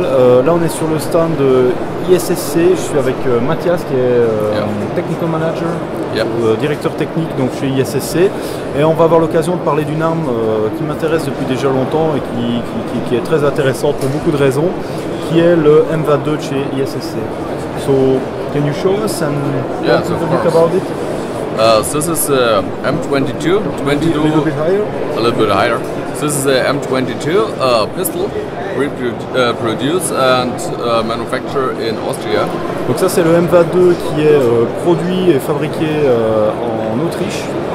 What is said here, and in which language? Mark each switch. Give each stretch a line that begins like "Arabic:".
French: Là, on est sur le stand de ISSC. Je suis avec Mathias, qui est Technical Manager, directeur technique donc chez ISSC. Et on va avoir l'occasion de parler d'une arme qui m'intéresse depuis déjà longtemps et qui est très intéressante pour beaucoup de raisons, qui est le M22 de chez ISSC.
English: So, can you show us and talk a bit about it? This is a M22. A little bit higher. This is a M22 pistol produced and manufactured in Austria.
French: Donc ça c'est le M22 qui est produit et fabriqué en Autriche.